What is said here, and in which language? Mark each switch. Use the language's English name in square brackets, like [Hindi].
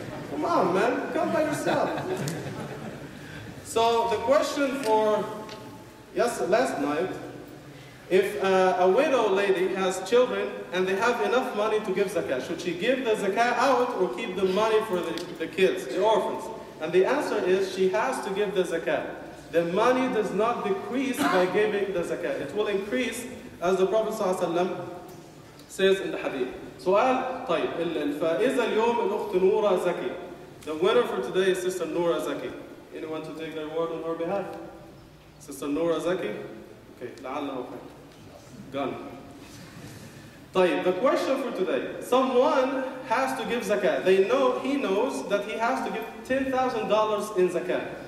[English] Come on, man, come by yourself. So the question for last night, if a widow lady has children and they have enough money to give zakah, should she give the zakah out or keep the money for the kids, the orphans? And the answer is she has to give the zakah. The money does not decrease by giving the zakah. It will increase as the Prophet ﷺ says in the hadith. [Arabic] سؤال طيب الفائزة اليوم الأخت نورة زكي. [English] The winner for today is Sister Noura Zaki. Anyone to take the reward on her behalf? Sister Noura Zaki? Okay, gone. The question for today. Someone has to give zakah. He knows that he has to give $10,000 in zakah.